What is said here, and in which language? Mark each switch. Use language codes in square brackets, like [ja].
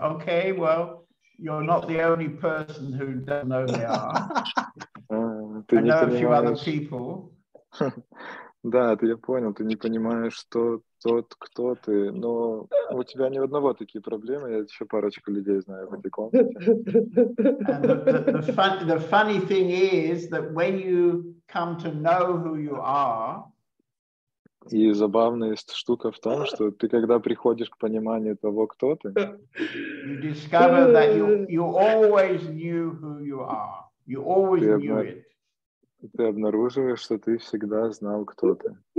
[en] Okay, well, you're not the only person who doesn't know who they are. I know a few other people. [ru] Да, ты, я понял, ты не понимаешь, что тот, кто ты, но у тебя ни одного такие проблемы, я еще парочку людей знаю в этой комнате. [en] The funny thing is that when you come to know who you are, [ru] и забавная штука в том, что ты когда приходишь к пониманию того, кто ты, [en] you discover that you always knew who you are. You always knew it. [ru] Ты обнаруживаешь, что ты всегда знал, кто ты.